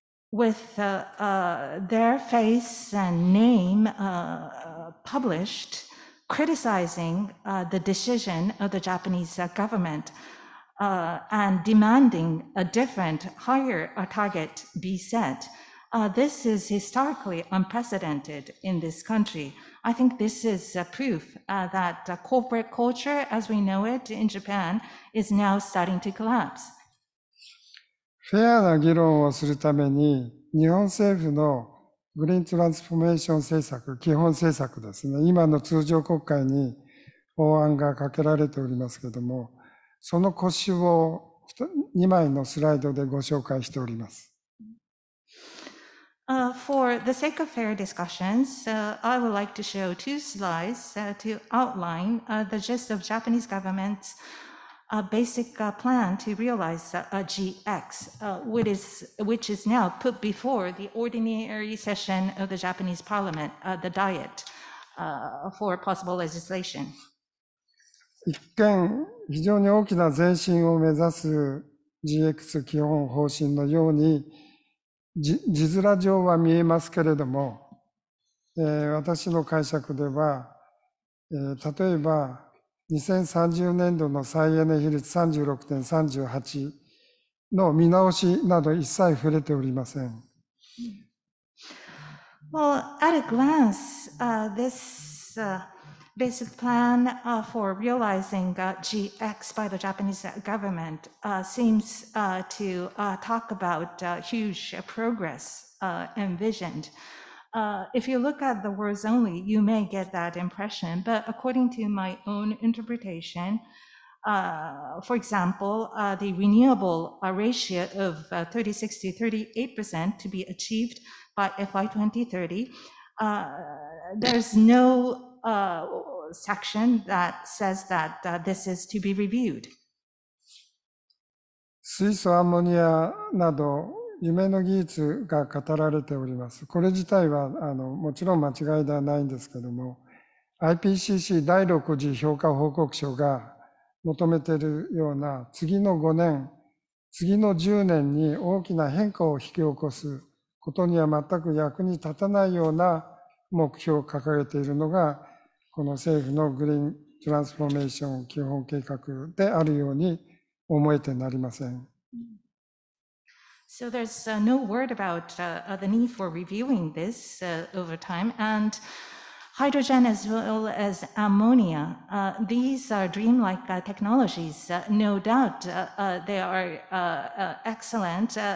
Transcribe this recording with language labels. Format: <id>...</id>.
<en>with their face and name published, criticizing the decision of the Japanese government and demanding a different, higher target be set. This is historically unprecedented in this country. I think this is a proof that the corporate culture, as we know it in Japan, is now starting to collapse.</en> <ja>フェアな議論をするために、日本政府のグリーントランスフォーメーション政策、基本政策ですね、今の通常国会に法案がかけられておりますけれども、その骨子を2枚のスライドでご紹介しております。</ja> <en>For the sake of fair discussions, I would like to show two slides to outline the gist of Japanese government'sA basic plan to realize a GX, which is now put before the ordinary session of the Japanese Parliament, the Diet, for possible legislation.</en> <ja>一見非常に大きな前進を目指す GX 基本方針のように字面上は見えますけれども、私の解釈では、例えば2030年度の再エネ比率 36.38 の見直しなど一切触れておりません。</ja> <en>Well, at a glance, this basic plan for realizing GX by the Japanese government seems to talk about huge progress envisioned. If you look at the words only, you may get that impression. But according to my own interpretation, for example, the renewable ratio of 36% to 38% to be achieved by FY 2030, there's no section that says that this is to be reviewed.</en> <ja>水素アンモニアなど夢の技術が語られております。これ自体はもちろん間違いではないんですけども、 IPCC 第6次評価報告書が求めているような次の5年次の10年に大きな変化を引き起こすことには全く役に立たないような目標を掲げているのがこの政府のグリーントランスフォーメーション基本計画であるように思えてなりません。</ja> <en>So there's no word about the need for reviewing this over time. And hydrogen as well as ammonia, these are dreamlike technologies. No doubt they are excellent.</en>